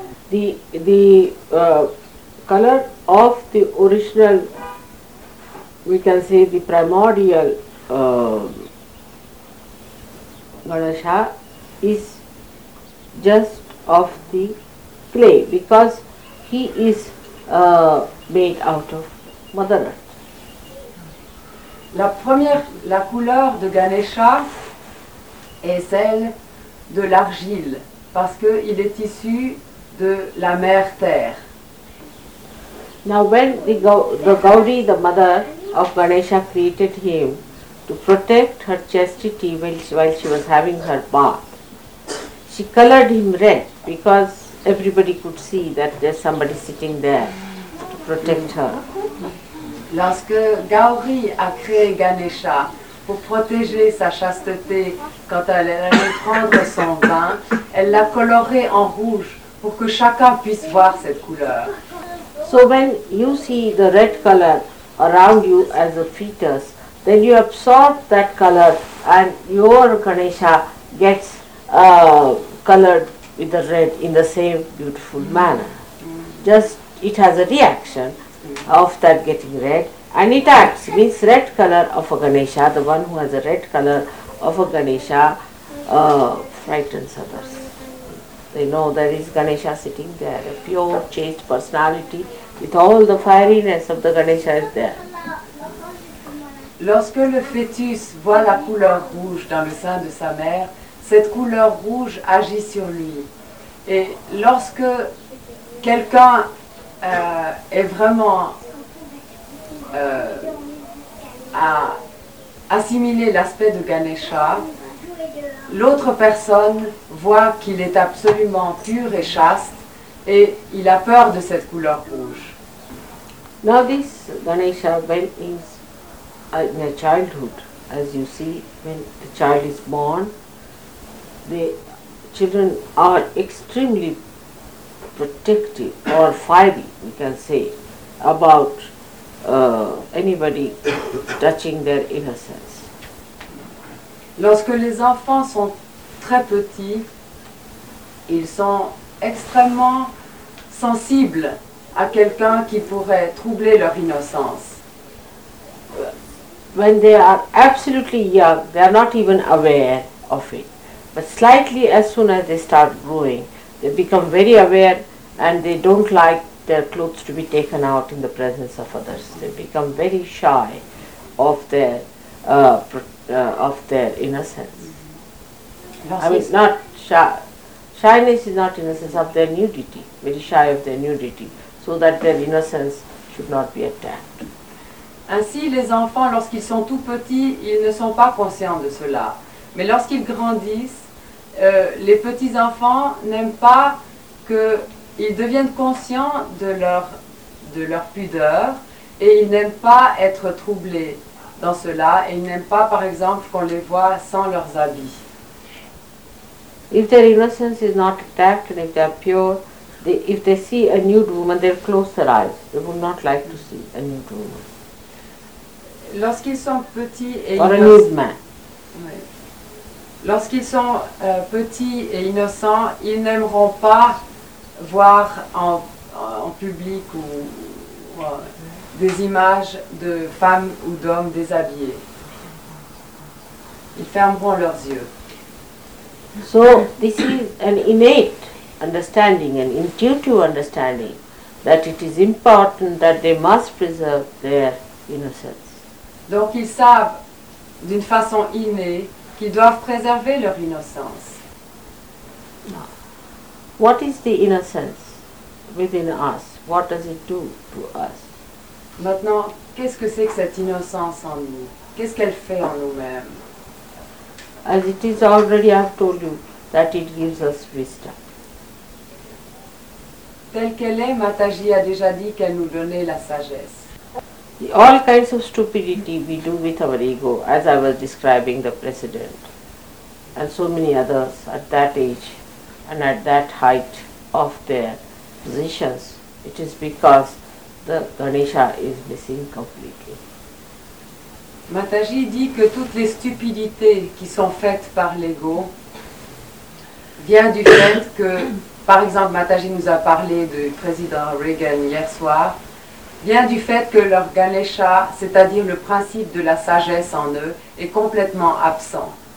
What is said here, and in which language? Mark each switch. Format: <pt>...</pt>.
<en>The color of the original, we can say the primordial Ganesha is just of the clay because he is made out of Mother Earth.</en> <fr>La couleur de Ganesha est celle de l'argile parce que il est issu de la mère terre.</fr> <en>Now when the Gauri, the mother of Ganesha, created him to protect her chastity while she was having her bath, she colored him red because everybody could see that there's somebody sitting there to protect her.</en> <fr>Lorsque Gauri a créé Ganesha pour protéger sa chasteté quand elle allait prendre son bain, elle l'a coloré en rouge pour que chacun puisse voir cette couleur.</fr> <en>So when you see the red color around you as a fetus, then you absorb that color and your Ganesha gets colored with the red in the same beautiful manner. Just it has a reaction of that getting red and it acts, means red color of a Ganesha, the one who has a red color of a Ganesha frightens others. They know there is Ganesha sitting there, a pure, chaste personality with all the fieriness of the Ganesha is there.</en> <fr>Lorsque le fœtus voit la couleur rouge dans le sein de sa mère, cette couleur rouge agit sur lui. Et lorsque quelqu'un est vraiment à assimiler l'aspect de Ganesha, l'autre personne voit qu'il est absolument pur et chaste et il a peur de cette couleur rouge.</fr> <en>Now this Ganesha, when is in a childhood, as you see, when the child is born, the children are extremely protective or fiery, we can say, about anybody touching their innocence.</en> <fr>Lorsque les enfants sont très petits, ils sont extrêmement sensibles à quelqu'un qui pourrait troubler leur innocence.</fr> <en>When they are absolutely young, they are not even aware of it. But slightly, as soon as they start growing, they become very aware and they don't like their clothes to be taken out in the presence of others. They become very shy of their innocence, very shy of their nudity, so that their innocence should not be attacked.</en> <fr>Ainsi, les enfants, lorsqu'ils sont tout petits, ils ne sont pas conscients de cela. Mais lorsqu'ils grandissent, les petits enfants n'aiment pas qu'ils deviennent conscients de leur pudeur et ils n'aiment pas être troublés dans cela, et ils n'aiment pas, par exemple, qu'on les voit sans leurs habits.</fr> <en>If their innocence is not attacked and if they are pure, if they see a nude woman, they'll close their eyes. They would not like to see a nude woman.</en> <fr>Lorsqu'ils sont petits et innocents.</fr> <en>Or a nude man.</en> <fr>Lorsqu'ils sont petits et innocents, ils n'aimeront pas voir en public ou des images de femmes ou d'hommes déshabillés. Ils fermeront leurs yeux.</fr> <en>So, this is an innate understanding, an intuitive understanding, that it is important that they must preserve their innocence.</en> <fr>Donc, ils savent d'une façon innée qu'ils doivent préserver leur innocence.</fr> <en>What is the innocence within us? What does it do to us?</en> <fr>Maintenant, qu'est-ce que c'est que cette innocence en nous? Qu'est-ce qu'elle fait en nous-mêmes?</fr> <en>As it is already, I've told you, that it gives us wisdom.</en> <fr>telle qu'elle est, Mataji a déjà dit qu'elle nous donnait la sagesse.</fr> <en>All kinds of stupidity we do with our ego, as I was describing the president, and so many others at that age and at that height of their positions, it is because the Ganesha is missing completely.</en> <fr>Mataji dit que toutes les stupidités qui sont faites par l'ego viennent du fait que, par exemple, Mataji nous a parlé du président Reagan hier soir, vient du fait que leur Ganesha, c'est-à-dire le principe de la sagesse en eux, est complètement absent.</fr>